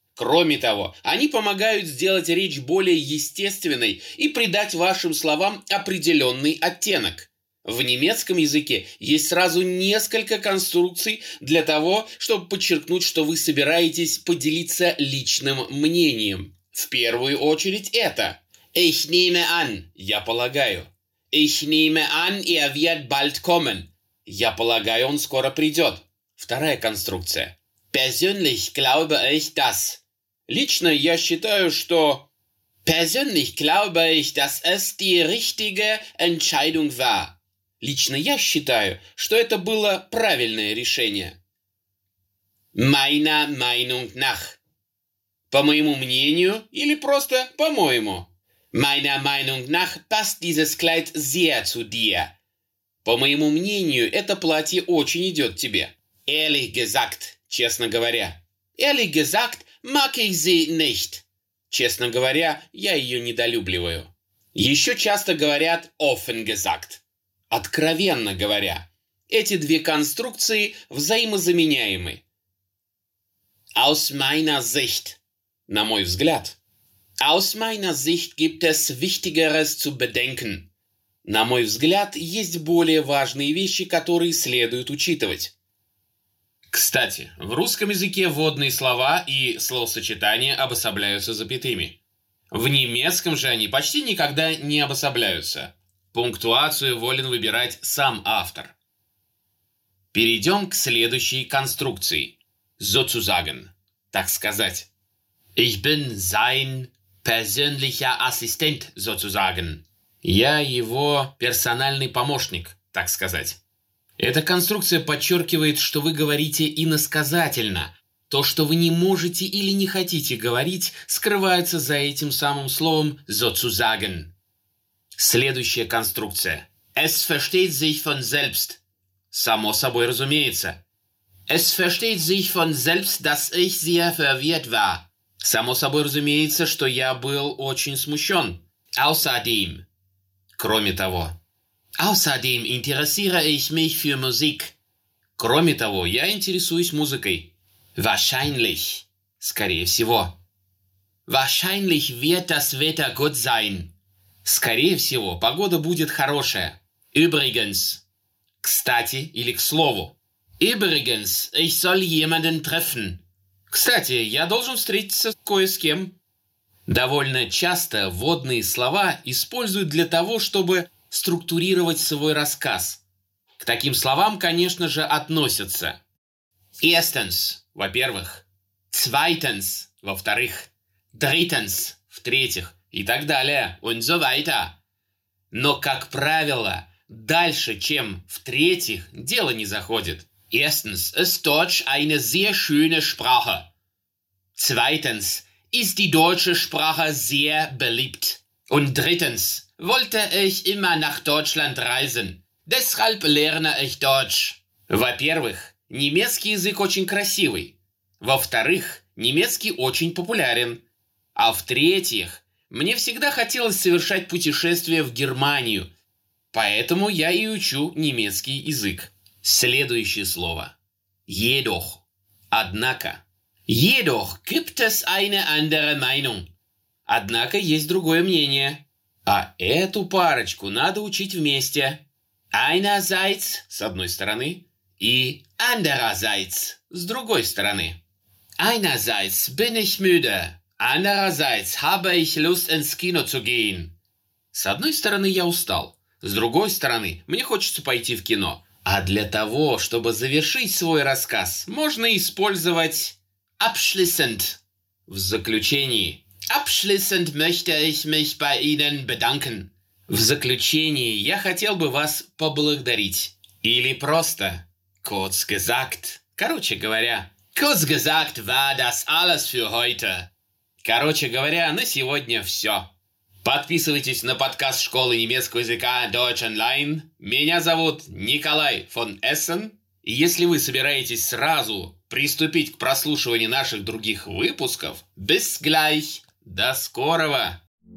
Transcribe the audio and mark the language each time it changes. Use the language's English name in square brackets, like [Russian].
[Russian] Кроме того, они помогают сделать речь более естественной и придать вашим словам определенный оттенок. В немецком языке есть сразу несколько конструкций для того, чтобы подчеркнуть, что вы собираетесь поделиться личным мнением. В первую очередь это [German] «Ich nehme an», [Russian] «я полагаю». [German] «Ich nehme an, er wird bald kommen», [Russian] «я полагаю, он скоро придет». Вторая конструкция [German] «Persönlich glaube ich das», [Russian] «лично я считаю, что…» [German] «Persönlich glaube ich, dass es die richtige Entscheidung war». [Russian] Лично я считаю, что это было правильное решение. [German] Meiner Meinung nach. [Russian] По моему мнению или просто по-моему. [German] Meiner Meinung nach passt dieses Kleid sehr zu dir. [Russian] По моему мнению, это платье очень идет тебе. [German] Ehrlich gesagt, [Russian] честно говоря. [German] Ehrlich gesagt, mag ich sie nicht. [Russian] Честно говоря, я ее недолюбливаю. Еще часто говорят [German] offen gesagt. [Russian] Откровенно говоря, эти две конструкции взаимозаменяемы. [German] Aus meiner Sicht. [Russian] На мой взгляд. [German] Aus meiner Sicht gibt es wichtigeres zu bedenken. [Russian] На мой взгляд, есть более важные вещи, которые следует учитывать. Кстати, в русском языке вводные слова и словосочетания обособляются запятыми. В немецком же они почти никогда не обособляются. Пунктуацию волен выбирать сам автор. Перейдем к следующей конструкции. [German] Sozusagen, [Russian] так сказать. [German] Ich bin sein persönlicher Assistent, sozusagen. [Russian] Я его персональный помощник, так сказать. Эта конструкция подчеркивает, что вы говорите иносказательно. То, что вы не можете или не хотите говорить, скрывается за этим самым словом sozusagen. Следующая конструкция. [German] Es versteht sich von selbst. [Russian] Само собой разумеется. [German] Es versteht sich von selbst, dass ich sehr verwirrt war. [Russian] Само собой разумеется, что я был очень смущен. [German] Außerdem. [Russian] Кроме того. [German] Außerdem interessiere ich mich für Musik. [Russian] Кроме того, я интересуюсь музыкой. [German] Wahrscheinlich. [Russian] Скорее всего. [German] Wahrscheinlich wird das Wetter gut sein. [Russian] Скорее всего, погода будет хорошая. [German] Übrigens. [Russian] Кстати или к слову. [German] Übrigens, ich soll jemanden treffen. [Russian] Кстати, я должен встретиться кое с кем. Довольно часто вводные слова используют для того, чтобы структурировать свой рассказ. К таким словам, конечно же, относятся. [German] Erstens, [Russian] во-первых. [German] Zweitens, [Russian] во-вторых. [German] Drittens, [Russian] в-третьих. И так далее. [German] Und so weiter. [Russian] Но, как правило, дальше, чем в-третьих, дело не заходит. [German] Erstens, ist Deutsch eine sehr schöne Sprache. Zweitens, ist die deutsche Sprache sehr beliebt. Und drittens, wollte ich immer nach Deutschland reisen. Deshalb lerne ich Deutsch. [Russian] Во-первых, немецкий язык очень красивый. Во-вторых, немецкий очень популярен. А в-третьих, мне всегда хотелось совершать путешествие в Германию, поэтому я и учу немецкий язык. Следующее слово. [German] Jedoch. [Russian] Однако. [German] Jedoch gibt es eine andere Meinung. [Russian] Однако есть другое мнение. А эту парочку надо учить вместе. [German] Einerseits, [Russian] с одной стороны, и [German] andererseits, [Russian] с другой стороны. [German] Einerseits bin ich müde. Andererseits habe ich Lust ins Kino zu gehen. [Russian] С одной стороны, я устал. С другой стороны, мне хочется пойти в кино. А для того, чтобы завершить свой рассказ, можно использовать abschließend в заключении. [German] Abschließend möchte ich mich bei Ihnen bedanken. [Russian] В заключении я хотел бы вас поблагодарить. Или просто [German] kurz gesagt. [Russian] Короче говоря, [German] kurz gesagt war das alles für heute. [Russian] Короче говоря, на сегодня все. Подписывайтесь на подкаст школы немецкого языка Deutsch Online. Меня зовут Николай фон Эссен. И если вы собираетесь сразу приступить к прослушиванию наших других выпусков, [German] bis gleich, [Russian] до скорого!